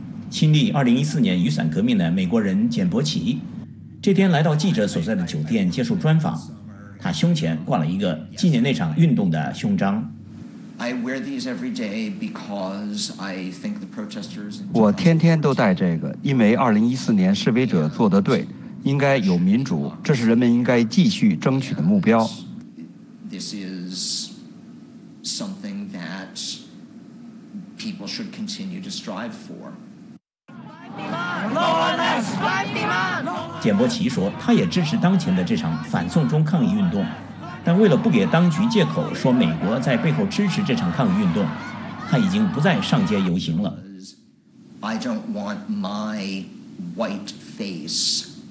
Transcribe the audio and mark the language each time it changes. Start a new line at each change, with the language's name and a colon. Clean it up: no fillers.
Chinese: 亲历2014年雨伞革命的美国人简伯奇这天来到记者所在的酒店接受专访，他胸前挂了一个纪念那场运动的胸章。我天天都戴这个，因为2014年示威者做得对，应该有民主，这是人们应该继续争取的目标。
English: This is something that people should continue to strive for.
Chinese: 简伯奇说，他也支持当前的这场反送中抗议运动，但为了不给当局借口说美国在背后支持这场抗议运动，他已经不再上街游行了。
English: I don't want my white face.